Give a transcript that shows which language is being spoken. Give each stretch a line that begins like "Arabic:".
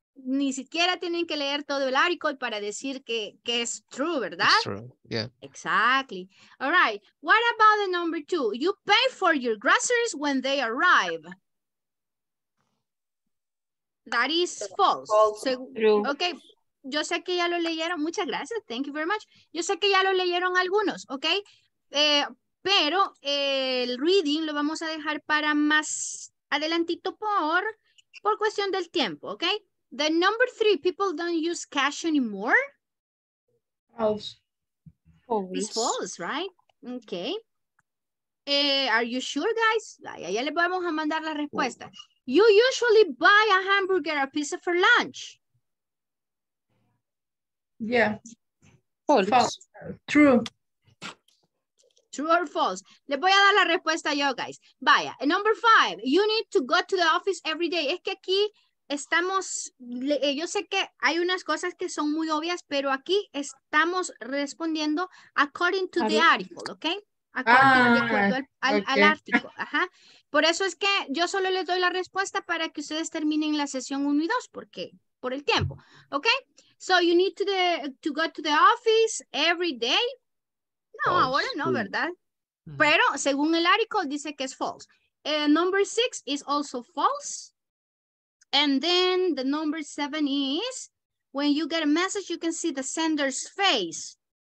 Spanish: Ni siquiera tienen que leer todo el article para decir que es true, ¿verdad?
English: It's true, yeah. Exactly. All right. What about the number two? You pay for your groceries when they arrive. That is false. True.
Spanish: Okay. Yo sé que ya lo leyeron. Muchas gracias.
English: Thank you very much.
Spanish: Yo sé que ya lo leyeron algunos, okay? Pero el reading lo vamos a dejar para más adelantito por cuestión del tiempo, okay?
English: The number three, people don't use cash anymore? False. It's false, right? Okay. Are you sure, guys?
Spanish: Ya le vamos a mandar la respuesta.
English: You usually buy a hamburger or pizza for lunch. Yeah. False. True. True or false?
Spanish: Le voy a dar la respuesta yo, guys. Vaya.
English: And number five, you need to go to the office every day.
Spanish: Es que aquí... Estamos, yo sé que hay unas cosas que son muy obvias, pero aquí estamos respondiendo
English: according to the article,
Spanish: ¿ok? De acuerdo al artículo, ajá. Por eso es que yo solo les doy la respuesta para que ustedes terminen la sesión 1 y 2, porque por el tiempo, ¿ok?
English: So you need to go to the office every day.
Spanish: No, false. Ahora no, ¿verdad? Pero según el article dice que es false.
English: Number 6 is also false. And then the number 7 is, when you get a message, you can see the sender's face.